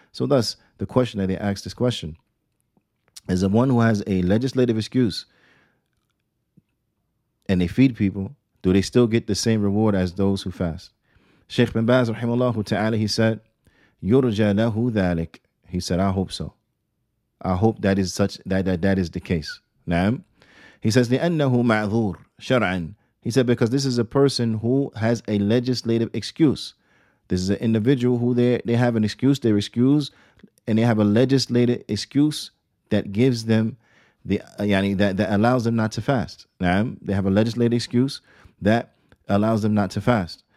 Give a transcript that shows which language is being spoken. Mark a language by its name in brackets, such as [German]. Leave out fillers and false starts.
[English] So thus, the question that they ask this question is, the one who has a legislative excuse and they feed people, do they still get the same reward as those who fast? Sheikh bin Baz, rahimahullah ta'ala, he said, [Arabic] يُرْجَى لَهُ ذَلِكَ. [English] He said, I hope so. I hope that is such that is the case. Naam. He says, [Arabic] لِأَنَّهُ مَعْذُورٌ شَرْعًا. [English] He said, because this is a person who has a legislative excuse. This is an individual who they have an excuse, they're excused, and they have a legislative excuse that gives them that allows them not to fast. Naam. They have a legislative excuse that allows them not to fast.